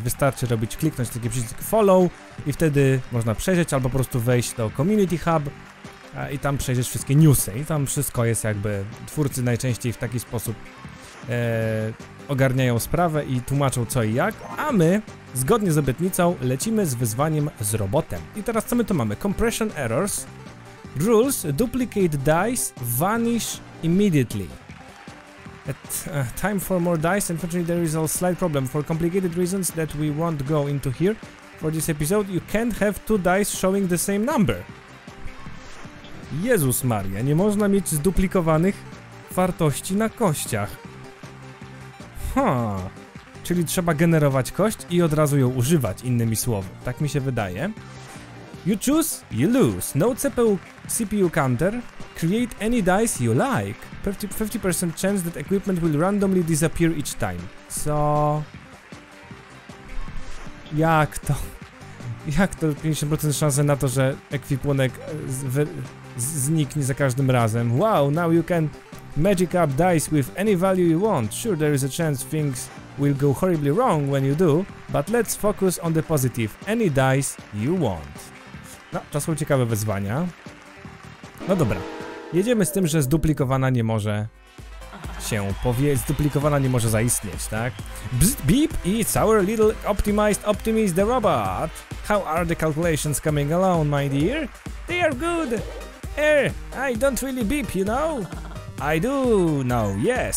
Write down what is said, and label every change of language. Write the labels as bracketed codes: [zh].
[pl] Wystarczy robić, kliknąć taki przycisk follow i wtedy można przejrzeć albo po prostu wejść do Community Hub i tam przejrzeć wszystkie newsy. I tam wszystko jest jakby, twórcy najczęściej w taki sposób ogarniają sprawę i tłumaczą co i jak. A my, zgodnie z obietnicą, lecimy z wyzwaniem z robotem. I teraz co my tu mamy? [en] Compression errors, rules, duplicate dice, vanish immediately. At time for more dice, unfortunately there is a slight problem for complicated reasons that we won't go into here. For this episode you can't have two dice showing the same number. [pl] Jezus Maria, nie można mieć zduplikowanych wartości na kościach. Czyli trzeba generować kość i od razu ją używać, innymi słowy. Tak mi się wydaje. [en] You choose, you lose. No CPU counter. Create any dice you like. 50% chance that equipment will randomly disappear each time. [pl] Co? Jak to? Jak to 50% szanse na to, że ekwipunek zniknie za każdym razem? [en] Wow, now you can magic up dice with any value you want. Sure, there is a chance things will go horribly wrong when you do, but let's focus on the positive. Any dice you want. [pl] No, to są ciekawe wyzwania. No dobra. Jedziemy z tym, że zduplikowana nie może się powiedzieć, zduplikowana nie może zaistnieć, tak? [en] Bzz, beep i Sour Little Optimized Optimist the Robot. How are the calculations coming along, my dear? They are good. I don't really beep, you know? I do now, yes.